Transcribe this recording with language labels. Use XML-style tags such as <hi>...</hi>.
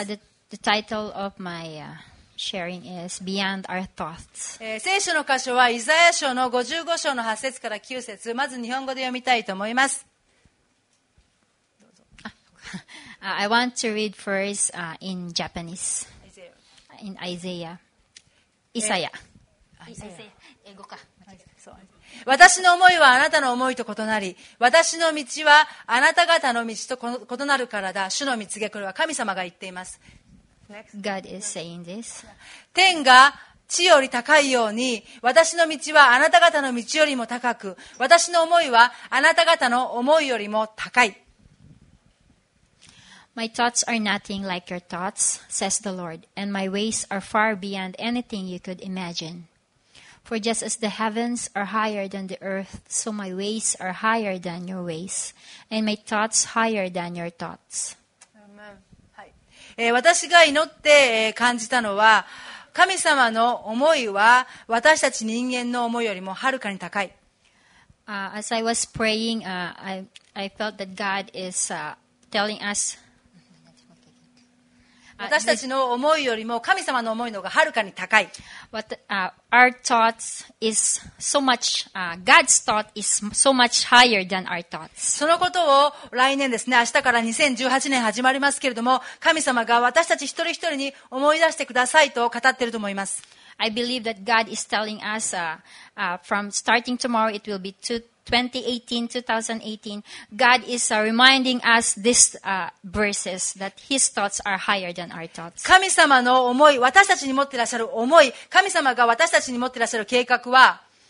<en>The title of my sharing is Beyond Our Thoughts.</en> <ja>聖書の箇所はイザヤ書の55章の8節から9節。まず日本語で読みたいと思います。どうぞ。</ja> <en>I want to read first, in Japanese. In Isaiah.</en> <ja>イサヤ、英語か。私の思いはあなたの思いと異なり、私の道はあなた方の道と異なるからだ。主の見告げ、これは神様が言っています。</ja> <en>God is saying this.</en> <ja>天が地より高いように、私の道はあなた方の道よりも高く、私の思いはあなた方の思いよりも高い。</ja> <en>My thoughts are nothing like your thoughts, says the Lord, and my ways are far beyond anything you could imagine. For just as the heavens are higher than the earth, so my ways are higher than your ways, and my thoughts higher than your thoughts.</en> <ja>Amen. はい。私が祈って感じたのは、神様の思いは私たち人間の思いよりもはるかに高い。</ja> <en>As I was praying, I felt that God is telling us.</en> <ja>私たちの思いよりも神様の思いの方がはるかに高い。</ja> <en>Our thoughts is so much, God's thought is so much higher than our thoughts.</en> <ja>そのことを来年ですね、明日から2018年始まりますけれども、神様が私たち一人一人に思い出してくださいと語っていると思います。</ja> <en>I believe that God is telling us, from starting tomorrow, it will be 2018, God is reminding us these verses that His thoughts are higher than our thoughts.</en> <ja>神様の思い、私たちに持っていらっしゃる思い、神様が私たちに持っていらっしゃる計画は、</ja>